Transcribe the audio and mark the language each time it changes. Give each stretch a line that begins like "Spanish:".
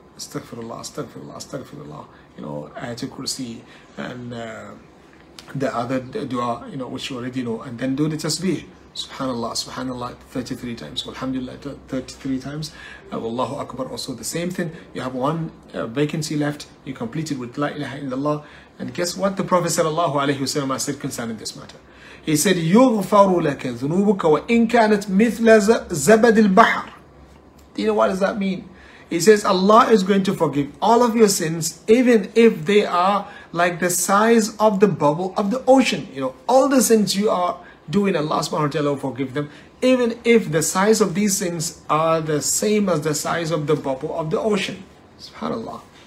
English: Astaghfirullah, astaghfirullah, astaghfirullah. You know, ayatul kursi and the other dua, you know, which you already know. And then do the tasbih. Subhanallah, subhanallah, 33 times. Alhamdulillah, 33 times. Wallahu akbar, also the same thing. You have one vacancy left. You complete it with la ilaha illallah. And guess what the Prophet sallallahu alaihi wasallam said concerning this matter? He said,
Arabic: يُغْفَرُ لَكَ ذُنُوبُكَ وَإِنْ كَانَتْ مِثْلَ زَبَدِ الْبَحَرِ.
English: Do you know what does that mean? He says, Allah is going to forgive all of your sins, even if they are like the size of the bubble of the ocean. You know, all the sins you are doing, Allah subhanahu wa ta'ala will forgive them, even if the size of these sins are the same as the size of the bubble of the ocean. Subhanallah.